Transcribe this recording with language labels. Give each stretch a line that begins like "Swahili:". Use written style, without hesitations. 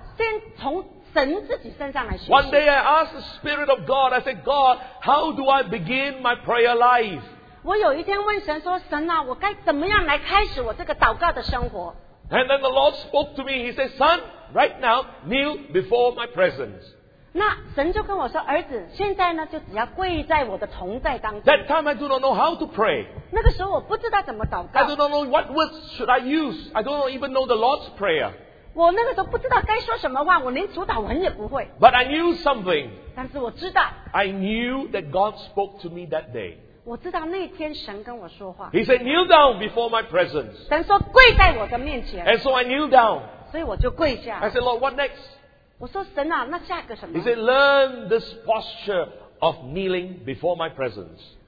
Chinese: 我记得很多年以前，我很盼望学习祷告，先从神自己身上来学习。
English: One day I asked the Spirit of God, I said, "God, how do I begin my prayer life?"
Chinese: 我有一天问神说，神啊，我该怎么样来开始我这个祷告的生活？
English: And then the Lord spoke to me. He said, "Son, right now, kneel before my presence."
Chinese: 那神就跟我说，儿子，现在呢，就只要跪在我的同在当中。
English: That time I do not know how to pray.
Chinese: 那个时候我不知道怎么祷告。
English: I do not know what words should I use. I don't even know the Lord's prayer.
Chinese: 我那个时候不知道该说什么话，我连主祷文也不会。
English: But I knew something.
Chinese: 但是我知道。
English: I knew that God spoke to me that day.
Chinese: 我知道那天神跟我说话。
English: He said, "Kneel down before my presence."
Chinese: 神说跪在我的面前。
English: And so I kneel down.
Chinese: 所以我就跪下。
English: I said, "Lord, what next?"
Chinese: 我说神啊，那下一个什么？
English: He said, "Learn this posture of kneeling before my presence."